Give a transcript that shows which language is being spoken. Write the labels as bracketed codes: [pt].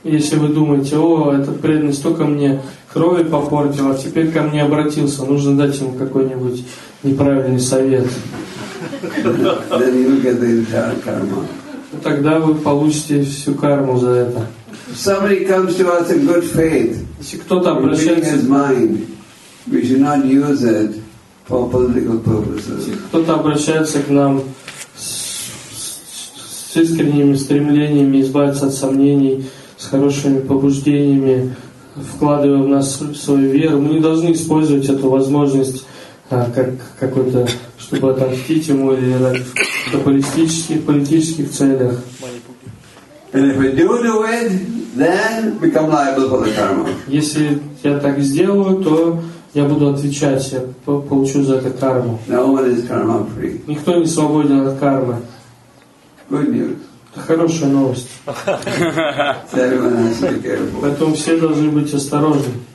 [ru] Если вы думаете, о, этот преданный столько мне крови попортил, а теперь ко мне обратился, нужно дать ему какой-нибудь неправильный совет. [en] Then you get the entire karma. [ru] Тогда вы получите всю карму за это. [en] If somebody comes to us in good faith, [ru] если кто-то обращается, [en] his mind, we should not use it for political purposes. [ru] Кто-то обращается к нам с искренними стремлениями избавиться от сомнений, с хорошими побуждениями, вкладывая в нас свою веру. Мы не должны использовать эту возможность как какой-то, чтобы отомстить ему или на политических целях. [en] And if we do it, then become liable for the karma. [ru] Если я так сделаю, то я буду отвечать, я получу за это карму. [en] No one is karma free. [ru] Никто не свободен от кармы. [en] Good news. [ru] Это хорошая новость. Поэтому все должны быть осторожны.